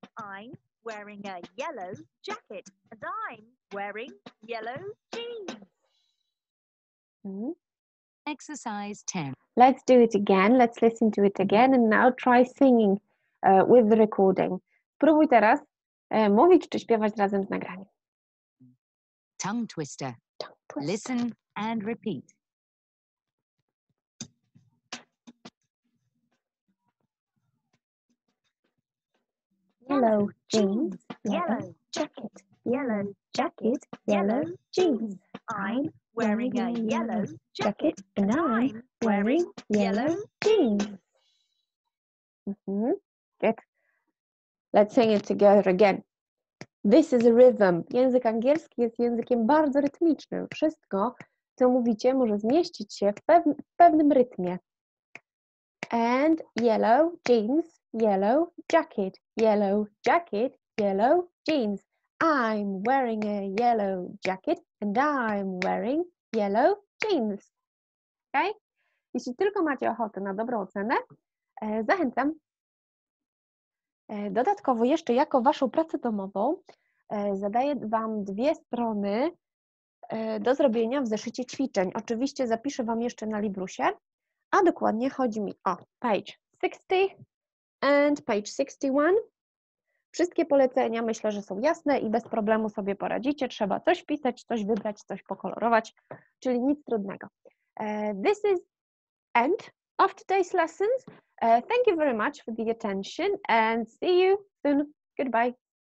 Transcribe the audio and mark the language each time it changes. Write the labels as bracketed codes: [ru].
[en] I'm wearing a yellow jacket and I'm wearing yellow jeans. Exercise 10. Let's do it again. Let's listen to it again and now try singing. With the recording. [pl] Spróbuj teraz mówić czy śpiewać razem z nagraniem. [en] Tongue twister. Tongue twister. Listen and repeat. Yellow jeans, yellow jacket, yellow jacket, yellow jeans. I'm wearing a yellow jacket and I'm wearing yellow jeans. Good. Let's sing it together again. This is a rhythm. [pl] Język angielski jest językiem bardzo rytmicznym. Wszystko, co mówicie, może zmieścić się w pewnym rytmie. [en] And yellow jeans, yellow jacket, yellow jacket, yellow jeans. I'm wearing a yellow jacket and I'm wearing yellow jeans. OK? [pl] Jeśli tylko macie ochotę na dobrą ocenę, zachęcam. Dodatkowo jeszcze jako waszą pracę domową zadaję wam dwie strony do zrobienia w zeszycie ćwiczeń. Oczywiście zapiszę wam jeszcze na Librusie, a dokładnie chodzi mi o [en] page 60 and page 61. [pl] Wszystkie polecenia myślę, że są jasne i bez problemu sobie poradzicie. Trzeba coś pisać, coś wybrać, coś pokolorować, czyli nic trudnego. [en] This is end of today's lessons. Thank you very much for the attention and see you soon. Goodbye.